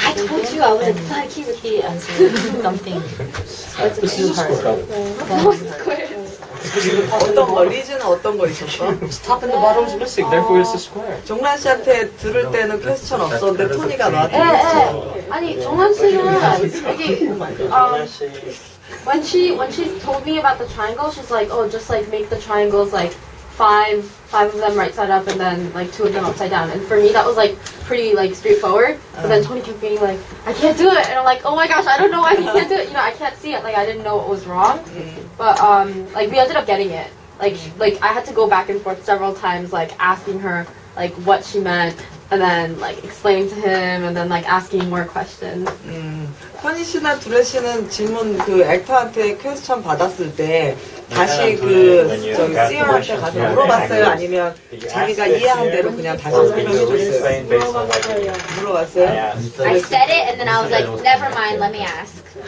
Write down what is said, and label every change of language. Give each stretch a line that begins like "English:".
English: I told you I was excited with the answer. Something. This is hard. What's the question?
Korean: 어떤 거, 리즈는 어떤 거 있었어?
English: Top and the bottom is missing, therefore it's a square.
Korean: 정란 씨한테 들을 때는 퀘스천 없었는데 토니가 나한테 퀘스천. 아니, 정란 씨는 이게
English: when she told me about the triangle, she's like, oh, just like make the triangles like five of them right side up, and then like two of them upside down. And for me, that was like pretty like straightforward. But then Tony kept being like, I can't do it. And I'm like, oh my gosh, I don't know why he can't do it. You know, I can't see it. Like, I didn't know what was wrong. Mm-hmm. But like, we ended up getting it. Like, mm-hmm. like I had to go back and forth several times, like asking her like what she meant, and then like explaining to him, and then like asking more questions.
Korean: 허니 씨나 두레 씨는 질문 그 액터한테 퀘스천 받았을 때 다시 그 좀 CEO한테 가서 물어봤어요? 아니면 자기가 이해한 대로 그냥 다시 설명해 줬어요? 물어봤어요?
English: I said it and then I was like, never mind, let me ask.